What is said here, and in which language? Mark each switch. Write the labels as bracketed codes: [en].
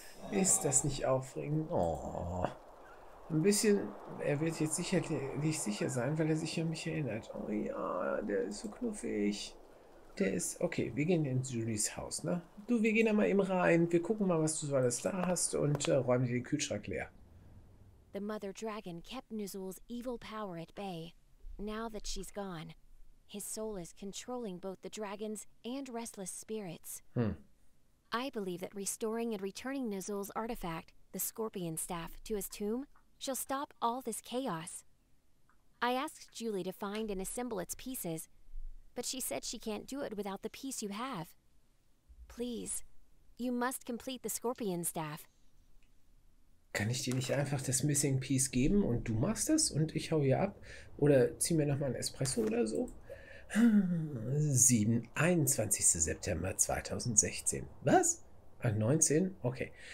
[de] Ist das nicht aufregend? Oh. Ein bisschen, er wird jetzt sicherlich sicher sein, weil er sich an mich erinnert. Oh ja, der ist so knuffig. Der ist, okay, wir gehen in Julies Haus, ne? Du, wir gehen da mal eben rein. Wir gucken mal, was du so alles da hast und räumen dir den Kühlschrank leer. [en] The Mother Dragon kept Nuzul's evil power at bay. Now that she's gone, his soul is controlling both the dragons and restless spirits. I believe that restoring and returning Nuzul's artifact, the Scorpion Staff, to his tomb, shall stop all this chaos. I asked Julie to find and assemble its pieces, but she said she can't do it without the piece you have. Please, you must complete the Scorpion Staff. [de] Kann ich dir nicht einfach das Missing Piece geben und du machst das und ich hau hier ab? Oder zieh mir nochmal ein Espresso oder so? 21. September 2016. Was? 19? Okay.